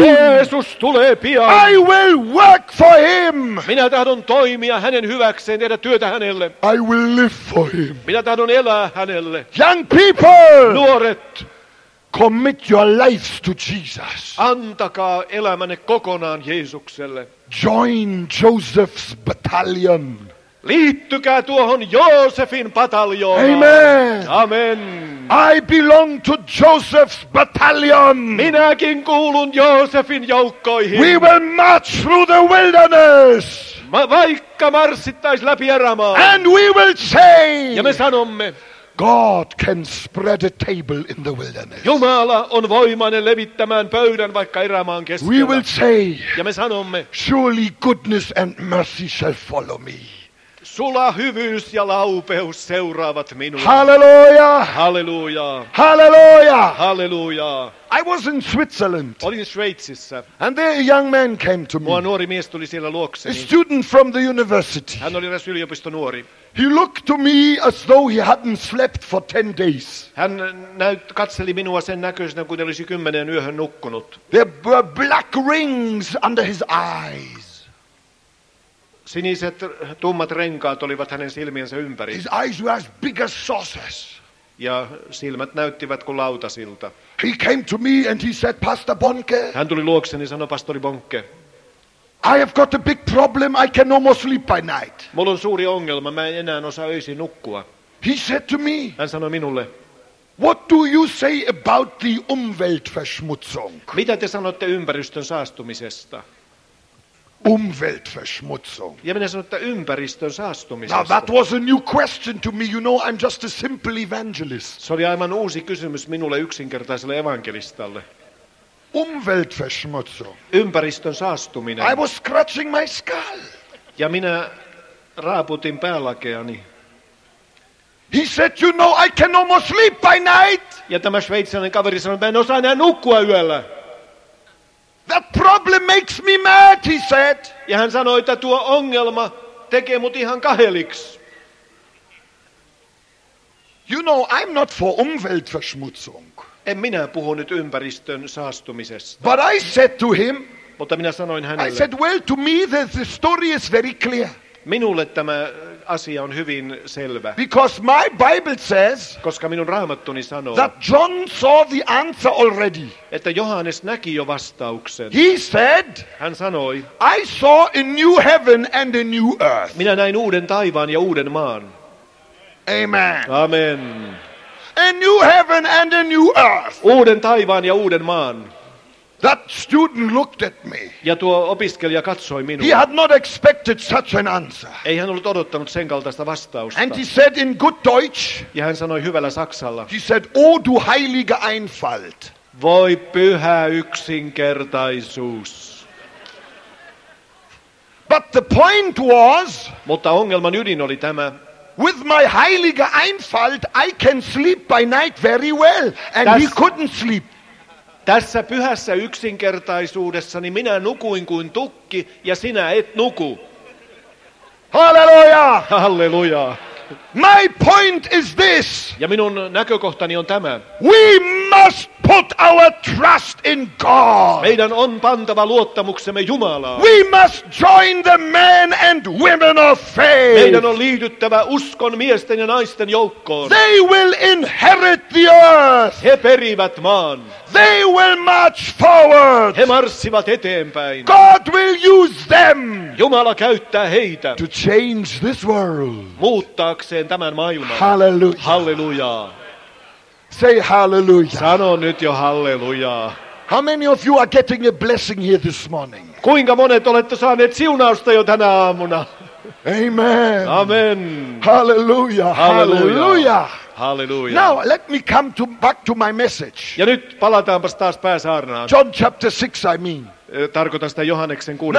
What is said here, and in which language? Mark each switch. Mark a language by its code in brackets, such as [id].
[fi] Jeesus tulee pian. [en] I will work for him. [fi] Minä tahdon toimia hänen hyväkseen, tehdä työtä hänelle. [en] I will live for him. [fi] Minä tahdon elää hänelle. [en] Young people. [fi] Nuoret. [en] Commit your lives to Jesus. [fi] Antakaa elämänne kokonaan Jeesukselle. [en] Join Joseph's battalion. [fi] Liittykää tuohon Joosefin pataljoonaan. Amen. Amen. [en] I belong to Joseph's battalion. [fi] Minäkin kuulun Joosefin joukkoihin. [en] We will march through the wilderness. [fi] Vaikka marssittais läpi erämaa. [en] And we will say. [fi] Ja me sanomme. [en] God can spread a table in the wilderness. [fi] Jumala on voimainen levittämään pöydän vaikka erämaan keskellä. [en] We will say. [fi] Ja me sanomme. [en] Surely goodness and mercy shall follow me. [fi] Sulla hyvyys ja laupeus seuraavat minua. Halleluja! Halleluja! Halleluja! Halleluja! [en] I was in Switzerland. [fi] Olin Sveitsissä. [en] And there a young man came to me. [fi] Mua nuori mies tuli siellä luokseni. [en] A student from the university. [fi] Hän oli eräs yliopiston nuori. [en] He looked to me as though he hadn't slept for 10 days. [fi] Hän katseli minua sen näköisenä kuin olisi 10 yöhön nukkunut. [en] There were black rings under his eyes. [fi] Siniset tummat renkaat olivat hänen silmiensä ympäri. [en] His eyes were as big as saucers. [fi] Ja silmät näyttivät kuin lautasilta. [en] He came to me and he said, Pastor Bonke. [fi] Hän tuli luokseni ja sanoi, Pastori Bonke. [en] I have got a big problem. I can almost sleep by night. [fi] Mulla on suuri ongelma. Mä en enää osaa öisin nukkua. [en] He said to me. [fi] Hän sanoi minulle. [en] What do you say about the Umweltverschmutzung? [fi] Mitä te sanotte ympäristön saastumisesta? [de] Umweltverschmutzung. [fi] Ja minä sanoin, että ympäristön saastumisesta. [en] Now that was a new question to me. You know, I'm just a simple evangelist. [fi] Se oli aivan uusi kysymys minulle yksinkertaiselle evankelistalle. [de] Umweltverschmutzung. [fi] Ympäristön saastuminen. [en] I was scratching my skull. [fi] Ja minä raaputin päälakeani. [en] He said, you know, I can almost sleep by night. [fi] Ja tämä sveitsiläinen kaveri sanoi, että en osaa enää nukkua yöllä. [en] The problem makes me mad, he said. [fi] Ja hän sanoi, että tuo ongelma tekee mut ihan kaheliksi. [en] You know, I'm not for Umweltverschmutzung. [fi] En minä puhu nyt ympäristön saastumisesta. [en] But I said to him, [fi] Mutta minä sanoin hänelle. [en] I said, well, to me the story is very clear. [fi] Minulle tämä asia on hyvin selvä. [en] Because my Bible says. [fi] Koska minun Raamattuni sanoo. [en] That John saw the answer already. [fi] Että Johannes näki jo vastauksen. [en] He said. [fi] Hän sanoi. [en] I saw a new heaven and a new earth. [fi] Minä näin uuden taivaan ja uuden maan. Amen. Amen. [en] A new heaven and a new earth. [fi] Uuden taivaan ja uuden maan. [en] That student looked at me. [fi] Ja tuo opiskelija katsoi minua. [en] He had not expected such an answer. [fi] Ei hän ollut odottanut sen kaltaista vastausta. [en] And he said in good Deutsch. [fi] Ja hän sanoi hyvällä saksalla. [en] He said, [de] "Oh, du heilige Einfalt." [fi] Voi pyhä yksinkertaisuus. [en] But the point was. [fi] Mutta ongelman ydin oli tämä. [en] With my [de] heilige Einfalt, [en] I can sleep by night very well, and he couldn't sleep. [fi] Tässä pyhässä yksinkertaisuudessani minä nukuin kuin tukki ja sinä et nuku. Halleluja! Halleluja! [en] My point is this. [fi] Ja minun näkökohtani on tämä. [en] We must put our trust in God. [fi] Meidän on pantava luottamuksemme Jumalaan. [en] We must join the men and women of faith. [fi] Meidän on liityttävä uskon miesten ja naisten joukkoon. [en] They will inherit the earth. [fi] He perivät maan. [en] They will march forward. [fi] He marssivat eteenpäin. [en] God will use them. [fi] Jumala käyttää heitä. [en] To change this world. [fi] Muuttaakseen tämän maailman. Hallelujah. Hallelujah. [en] Say hallelujah. [fi] Sano nyt jo hallelujaa. [en] How many of you are getting a blessing here this morning? [fi] Kuinka monet olette saaneet siunausta jo tänä aamuna? Amen. Amen. Hallelujah. Hallelujah. Hallelujah. [en] Now let me come to back to my message. [fi] Ja nyt palataanpas taas pääsaarnaan. [en] John chapter 6 I mean. [fi] Tarkoitan sitä Johanneksen 6.